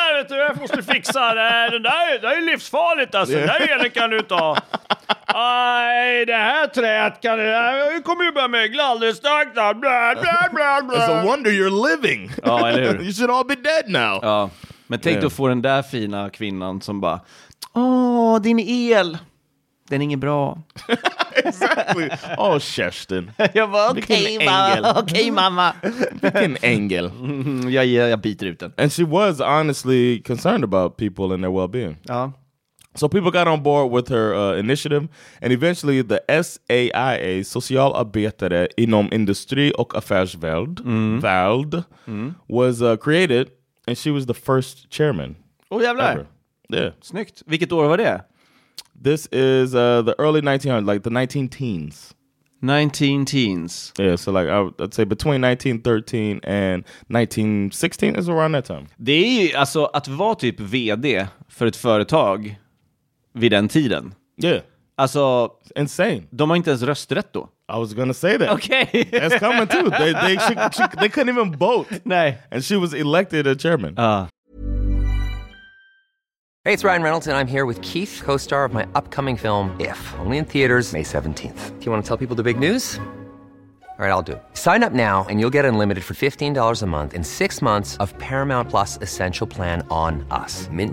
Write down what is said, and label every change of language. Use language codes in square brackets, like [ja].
[sv] Jag måste fixa det här är livsfarligt alltså. Yeah. Det här kan du ta. Aj, det här träet kan du. Jag kommer ju börja mögla alldeles starkt. [en] It's a wonder you're living. [sv] Ja, eller hur? [en] You should all be dead now. [sv] Ja. Men tänk då få den där fina kvinnan som bara, åh, din el. Den är ingen bra. [en] Exactly. Åh, oh, Kerstin. [sv] Jag bara, okej, okay, mamma. Vilken ängel. Jag biter ut den. [en] And she was honestly concerned about people and their well-being. [sv] Ja. [en] So people got on board with her initiative. And eventually the SAIA, socialarbetare inom industri och affärsvärld, was created. And she was the first chairman. [sv] Oh, jävlar. [en] Ever. Yeah. [sv] Snyggt. Vilket år var det? [en] This is the early 1900s, like the 19-teens. 19-teens. Yeah, so like I'd say between 1913 and 1916 is around that time. [sv] Det är ju, alltså, att vara typ vd för ett företag vid den tiden. [en] Yeah. [sv] Alltså, [en] insane. [sv] De har inte ens rösträtt då. [en] I was gonna say that. Okay. That's coming too. They couldn't even vote. [sv] Nej. [en] And she was elected a chairman. Hey, it's Ryan Reynolds, and I'm here with Keith, co-star of my upcoming film, If, only in theaters May 17th. Do you want to tell people the big news? All right, I'll do. Sign up now and you'll get unlimited for $15 a month and 6 months of Paramount Plus Essential Plan on us.